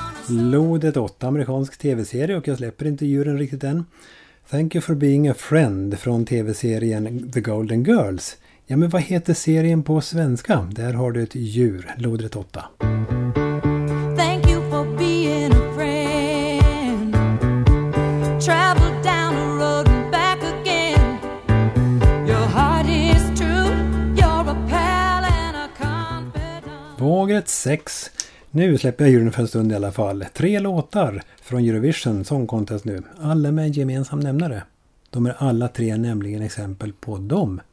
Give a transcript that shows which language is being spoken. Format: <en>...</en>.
<sv>Lodrätt 8, amerikansk tv-serie, och jag släpper inte djuren riktigt än. Thank You For Being A Friend från tv-serien The Golden Girls. Ja, men vad heter serien på svenska? Där har du ett djur, lodrätt 8.</sv> <en>Thank you for being a friend. Travel down the road and back again. Your heart is true. You're a pal and a confidant.</en> <sv>Vågrätt 6. Nu släpper jag djuren för en stund i alla fall. Tre låtar från Eurovision Song Contest nu. Alla med en gemensam nämnare. De är alla tre nämligen exempel på dem.</sv>